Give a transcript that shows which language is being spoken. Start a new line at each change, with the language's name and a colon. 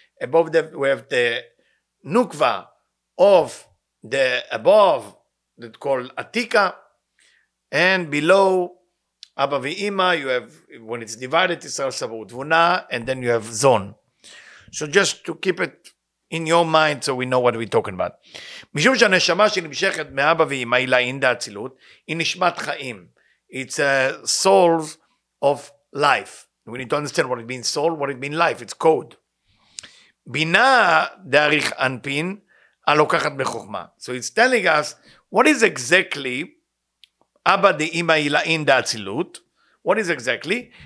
English: Above that we have the Nukva of the above, that's called Atika. And below Abba v'Ima, you have, when it's divided, it's Israel Sabur Tvuna, and then you have Zon. So just to keep it in your mind so we know what we're talking about.
Hebrew: משום שהנשמה שנמשכת מאבא ואמא היא לעין דאצילות, היא נשמת חיים.
English: It's a soul of life. We need to understand what it means soul, what it means life. It's code.
Hebrew: Bina d'arich anpin alokachat b'chokma.
English: So it's telling us, what is exactly Abba d'ima ila'in d'atzilut? What is exactly?